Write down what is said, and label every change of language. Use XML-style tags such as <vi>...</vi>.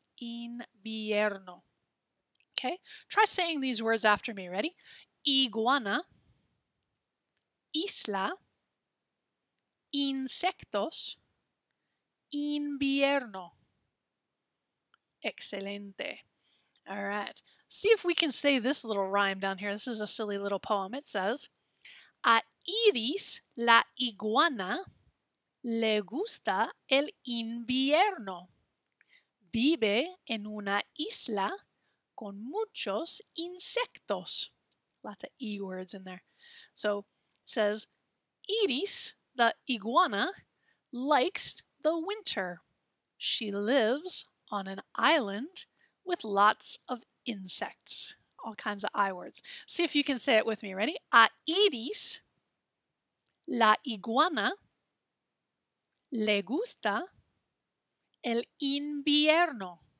<en>Invierno. Okay? Try saying these words after me. Ready? Iguana.</en> <es>Isla, insectos, invierno. Excelente. All right.</es> <en>See if we can say this little rhyme down here. This is a silly little poem. It says,</en> <es>a Iris, la iguana, le gusta el invierno. vive en una isla con muchos insectos.</es> <en>Lots of E words in there. So it says, Iris, the iguana, likes the winter. She lives on an island with lots of insects. All kinds of I words. See if you can say it with me. Ready?</en> <es>A Iris, la iguana, le gusta el invierno.</es>